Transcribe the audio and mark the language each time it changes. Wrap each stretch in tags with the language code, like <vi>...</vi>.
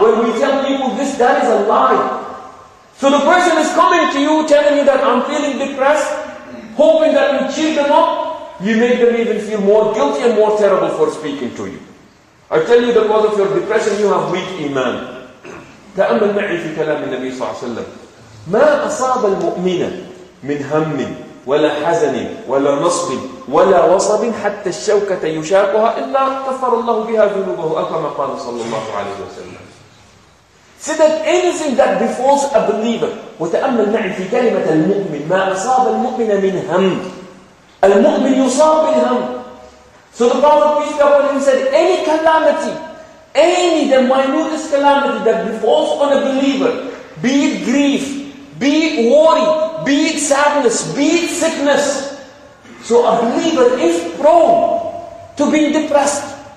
<en>When we tell people this, that is a lie. So the person is coming to you, telling you that I'm feeling depressed, hoping that you cheer them up, you make them even feel more guilty and more terrible for speaking to you. I tell you, because of your depression, you have weak iman.</en> <ar>تأمل معي في كلام النبي صلى الله عليه وسلم. ما أصاب المؤمن من هم ولا حزن ولا نصب ولا وصب حتى الشوكة يشاقها إلا كفر الله بها ذنوبه كما قال صلى الله عليه وسلم.</ar> <en>See that anything that befalls a believer,</en> <ar>وتأمل معي في كلمة المؤمن ما أصاب المؤمن من هم. المؤمن يصاب بالهم.</ar> <en>So the Prophet, peace be upon him, said, any calamity, any the minutest calamity that befalls on a believer, be it grief, be it worry, be it sadness, be it sickness. So a believer is prone to being depressed.</en>